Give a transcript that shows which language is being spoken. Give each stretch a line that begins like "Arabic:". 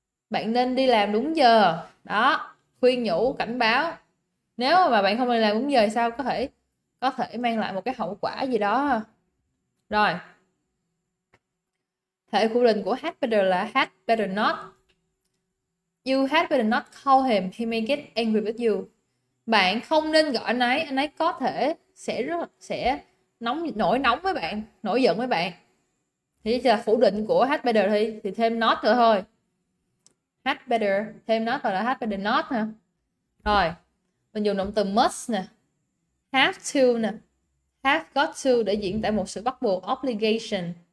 Vietnamese: Bạn nên đi làm đúng giờ đó, khuyên nhủ, cảnh báo. Nếu mà bạn không đi làm đúng giờ sao có thể mang lại một cái hậu quả gì đó. Rồi thể khẳng định của had better là had better not.
English: You had better not call him, he may get angry with you.
Vietnamese: Bạn không nên gọi anh ấy có thể sẽ nổi nóng với bạn, nổi giận với bạn. Thì là phủ định của had better thì thêm not nữa thôi. Had better thêm not gọi là had better not nè. Rồi mình dùng động từ must nè, have to nè, have got to để diễn tả một sự bắt buộc, obligation.